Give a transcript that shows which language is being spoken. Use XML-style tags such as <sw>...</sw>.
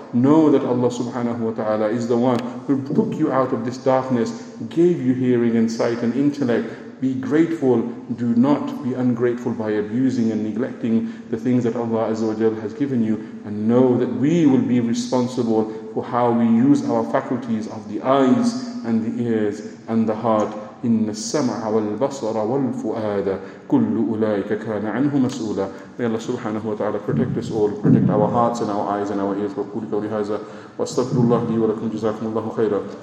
<en>Know that Allah subhanahu wa ta'ala is the one who took you out of this darkness, gave you hearing and sight and intellect. Be grateful. Do not be ungrateful by abusing and neglecting the things that Allah Azza wa Jalla has given you. And know that we will be responsible for how we use our faculties of the eyes and the ears and the heart.</en> <ar>إِنَّ السَّمْعَ وَالْبَصَرَ وَالْفُؤَادَ كُلُّ أُولَئِكَ كَانَ عَنْهُ مَسْؤُولًا.</ar> <en>May Allah subhanahu wa ta'ala protect us all, protect our hearts and our eyes and our ears.</en> <ar>وَقُولِ كَوْلِ هَذَا وَأَسْتَغْفِرُ اللَّهِ لِي وَلَكُمْ جَزَاكُمُ اللَّهُ خَيْرًا.</ar>